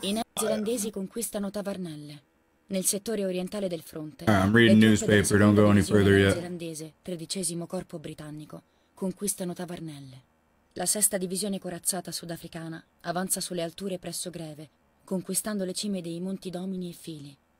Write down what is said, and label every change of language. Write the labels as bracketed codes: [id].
[it] I neozelandesi conquistano tavernelle nel settore orientale del fronte. [en] I'm reading newspaper, don't go any further yet. [it] Neozelandese, 13° corpo britannico, conquistano tavernelle. La 6ª divisione corazzata sudafricana avanza sulle alture presso Greve, conquistando le cime dei Monti Domini e Fili.